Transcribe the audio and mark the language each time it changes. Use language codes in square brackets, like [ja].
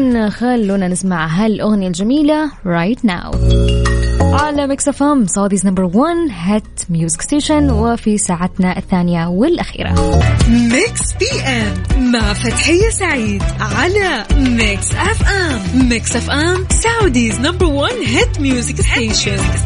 [ar] خلونا نسمع هالأغنية الجميلة [en] right now [ar] على Mix FM Saudi's number one hit music station، وفي ساعتنا الثانية والأخيرة Mix PM مع فتحية سعيد على Mix FM. [en] Mix FM Saudi's number one hit music station.